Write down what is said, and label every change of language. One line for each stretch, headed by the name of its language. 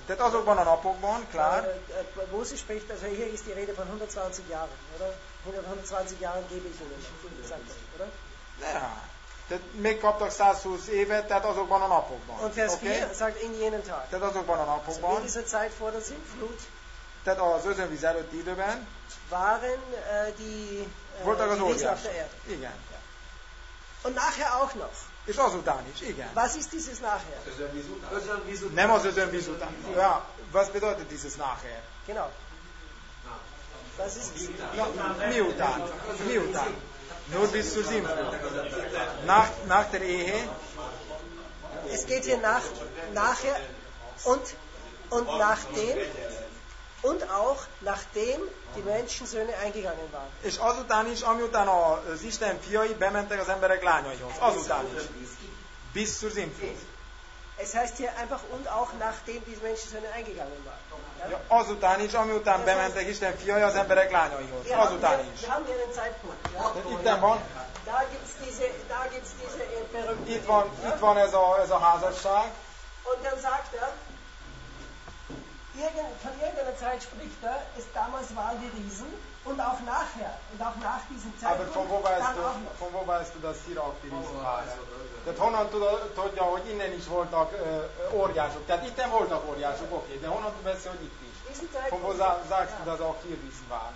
Hungarian: Tehát azokban a napokban, klar.
German: Mose spricht, also hier ist die Rede von 120 Jahren, oder? 120 Jahren gebe ich Ihnen, oder? Ja.
Hungarian: Tehát megkaptak 120 évet, tehát azokban a napokban.
German: Und Vers 4 sagt, in jenen Tagen.
Hungarian: Tehát azokban a napokban.
German: In dieser Zeit vor der Sintflut.
Hungarian: Tehát az özönvíz előtti időben
German: waren die
Hungarian: voltak az óriások. Igen.
German: Und nachher auch noch.
Hungarian: És azután is, igen.
German: Was ist dieses nachher?
Hungarian: Özönvíz után. Nem az özönvíz után.
German: Ja, was bedeutet dieses nachher? Genau. Was ist
Hungarian: miután? Miután?
German: Nur bis zu sieben. Nach der Ehe. Es geht hier nachher und nachdem und auch nachdem die Menschensöhne eingegangen waren.
Hungarian: És azután is, amiután az Isten fiai bementek az emberek lányaihoz. Azután is.
German: Bis zur Sintflut. Es heißt hier einfach und auch nachdem die Menschensöhne eingegangen waren. Ja?
Hungarian: Ja, azután is, amiután bementek Isten fiai az emberek lányaihoz. Ja, azután is.
German: Wir haben hier einen Zeitpunkt. Ja?
Hungarian: Itten van.
German: Da gibt's diese Perücke.
Hungarian: Itt van ez a házasság.
German: Und dann sagt er, von irgendeiner Zeit spricht er, ist damals waren die Riesen und auch nachher und auch nach diesem Zeitpunkt. Aber von wo weißt du, dass hier auch die Riesen waren?
Hungarian: Tehát honnan tudja, hogy innen is voltak óriások. Tehát itt nem voltak óriások, oké, de honnan tudja, hogy itt is?
German: Von wo sagst du, dass auch hier Riesen waren?